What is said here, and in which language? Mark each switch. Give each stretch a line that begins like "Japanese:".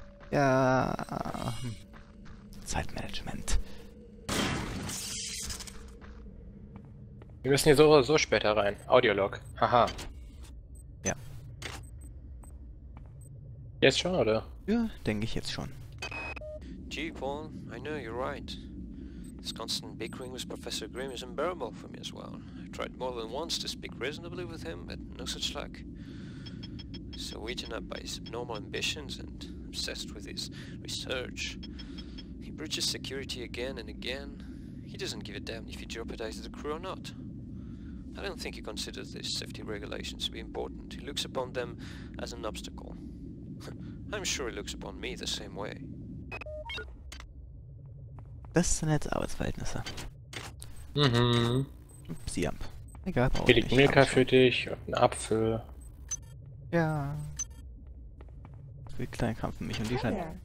German: Ja, Zeitmanagement. Wir müssen hier so später rein. Audiolog. Haha. Ja. Jetzt schon, oder? Ja, denke ich jetzt schon.
English: Gee, Paul, I know you're right. This constant bickering with Professor Grimm is unbearable for me as well. I tried more than once to speak reasonably with him, but no such luck. So eaten up by his abnormal ambitions and obsessed with his research. He breaches security again and again. He doesn't give a damn if he jeopardizes the crew or not. I don't think he considers these safety regulations to be important. He looks upon them as an obstacle. I'm sure he looks upon me the same way.
German: Das sind jetzt Arbeitsverhältnisse. Mhm. Upsiamp. Egal, brauch ich nicht. Hier liegt Milka für dich und ein Apfel. Ja. Wie klein Kampf mich und die scheint...